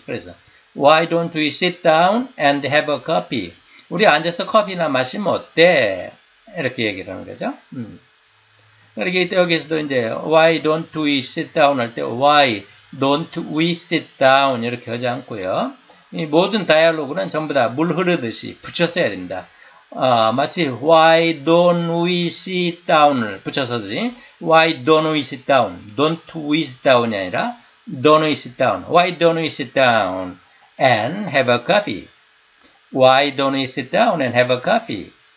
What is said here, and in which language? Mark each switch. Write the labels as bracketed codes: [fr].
[ko] 그래서 [en] Why don't we sit down and have a coffee? [ko] 우리 앉아서 커피나 마시면 어때? 이렇게 얘기를 하는 거죠. 그러니까 여기서도 이제 [en] Why don't we sit down? [ko] 할 때 [en] Why don't we sit down? [ko] 이렇게 하지 않고요. 이 모든 다이얼로그는 전부 다 물 흐르듯이 붙여서 해야 됩니다. 마치 [en] why don't we sit down을 [ko] 붙여서든지 [en] why don't we sit down, don't we sit down [ko] 이 아니라 [en] don't we sit down, why don't we sit down and have a coffee, why don't we sit down and have a coffee.